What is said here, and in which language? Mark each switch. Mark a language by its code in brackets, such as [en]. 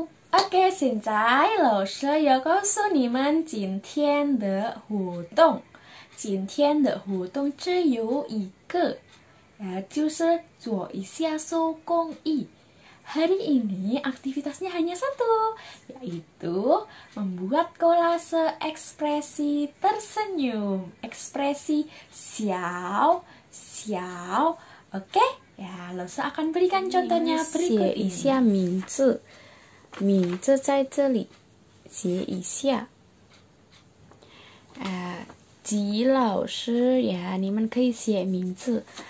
[zh] OK，现在老师要告诉你们今天的互动。今天的互动只有一个，就是做一下手工艺。 [id] Hari ini aktivitasnya hanya satu, yaitu membuat kolase ekspresi tersenyum, ekspresi siaw, siaw. OK, ya, 老师 akan berikan contohnya berikut ini. [zh] 写一下名字。名字在这里写一下，吉老师呀，你们可以写名字。